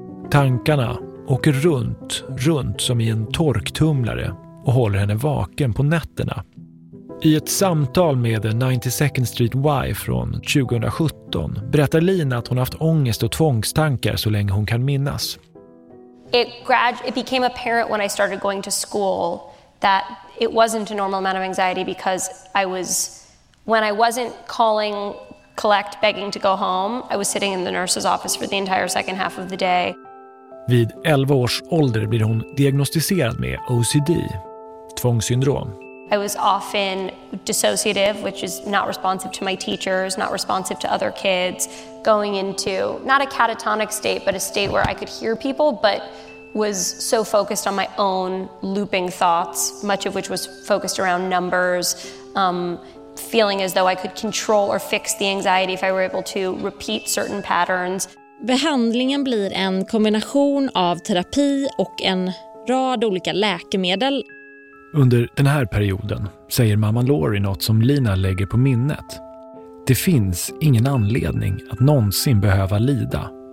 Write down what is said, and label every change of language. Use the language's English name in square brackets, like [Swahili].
[Swedish] Tankarna åker runt, runt som i en torktumlare och håller henne vaken på nätterna. I ett samtal med 92nd Street Y från 2017 berättar Lina att hon haft ångest och tvångstankar så länge hon kan minnas. [English] It became apparent when I started going to school that it wasn't a normal amount of anxiety because I was, when I wasn't calling, collect, begging to go home, I was sitting in the nurse's office for the entire second half of the day. [Swedish] Vid 11 års ålder blir hon diagnostiserad med OCD, tvångssyndrom. [English] I was often dissociative, which is not responsive to my teachers, not responsive to other kids, going into not a catatonic state, but a state where I could hear people, but was so focused on my own looping thoughts, much of which was focused around numbers, feeling as though I could control or fix the anxiety if I were able to repeat certain patterns. [Swedish] Behandlingen blir en kombination av terapi och en rad olika läkemedel. Under den här perioden säger mamman Lori något som Lina lägger på minnet. Det finns ingen anledning att någonsin behöva lida.